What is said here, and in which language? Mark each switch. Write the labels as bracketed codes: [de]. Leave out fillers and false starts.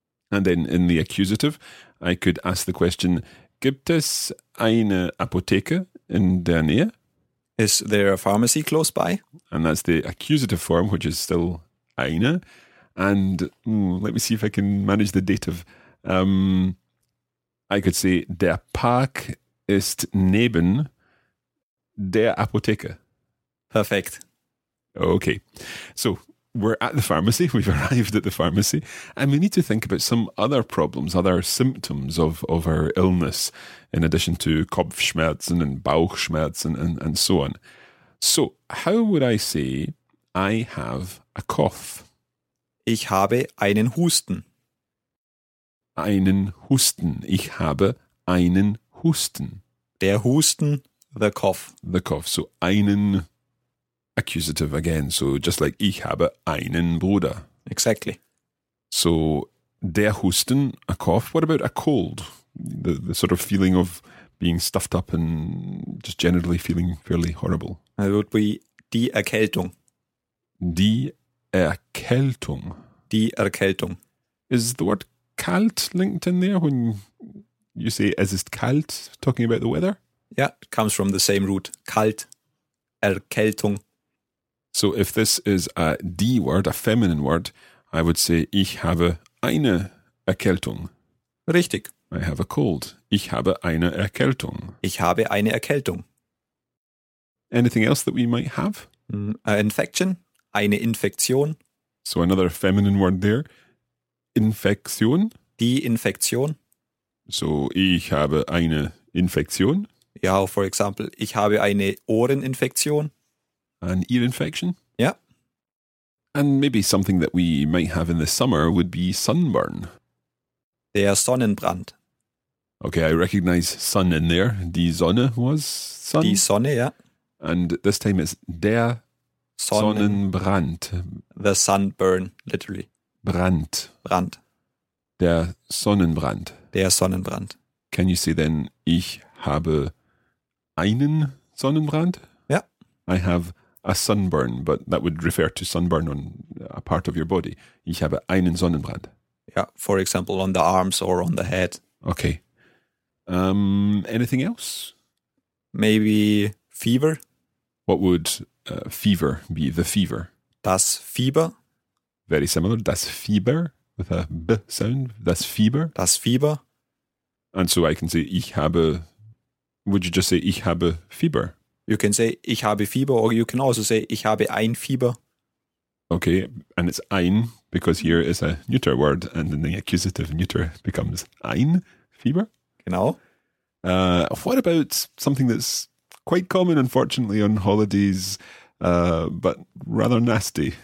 [en] And then in the accusative, I could ask the question, [de] gibt es eine Apotheke in der Nähe? [en] Is there a pharmacy close by? And that's the accusative form, which is still eine. And let me see if I can manage the dative. I could say, [de] der Park ist neben der Apotheke. [en] Perfect. Okay. So, we're at the pharmacy. We've arrived at the pharmacy. And we need to think about some other problems, other symptoms of our illness, in addition to Kopfschmerzen and Bauchschmerzen and so on. So, how would I say, I have a cough? [de] Ich habe einen Husten. Einen Husten. Ich habe einen Husten. Der Husten, [en] the cough. The cough. So einen accusative again. So just like [de] ich habe einen Bruder. [en] Exactly. So der Husten, a cough. What about a cold? The sort of feeling of being stuffed up and just generally feeling fairly horrible. It would be [de] die Erkältung. Die Erkältung. Die Erkältung. [en] Is the word kalt linked in there when You say, es ist kalt, talking about the weather? Yeah, it comes from the same root, kalt, Erkältung. So if this is a D word, a feminine word, I would say, [de] ich habe eine Erkältung. Richtig. [en] I have a cold. [de] Ich habe eine Erkältung. Ich habe eine Erkältung. [en] Anything else that we might have? An infection. [de] Eine Infektion. [en] So another feminine word there. [de] Infektion. Die Infektion. So ich habe eine Infektion. Ja, [en] for example, [de] ich habe eine Ohreninfektion. [en] An ear infection. Yeah. And maybe something that we might have in the summer would be sunburn. [de] Der Sonnenbrand. [en] Okay, I recognize sun in there. [de] Die Sonne [en] was sun. [de] Die Sonne, yeah. [en] And this time it's der Sonnenbrand. The sunburn, literally. [de] Brand. Brand. Der Sonnenbrand. Der Sonnenbrand. [en] Can you say then, [de] ich habe einen Sonnenbrand? [en] Yeah. I have a sunburn, but that would refer to sunburn on a part of your body. [de] Ich habe einen Sonnenbrand. [en] Yeah, for example, on the arms or on the head. Okay. Anything else? Maybe fever. What would fever be? The fever. [de] Das Fieber. [en] Very similar. Das Fieber with a B sound. Das Fieber. [de] Das Fieber. [en] And so I can say ich habe. Would you just say [de] ich habe Fieber? [en] You can say ich habe Fieber, or you can also say [de] ich habe ein Fieber. [en] Okay, and it's ein, because here is a neuter word, and then the accusative neuter becomes ein Fieber. [de] Genau. [en] What about something that's quite common, unfortunately, on holidays, but rather nasty?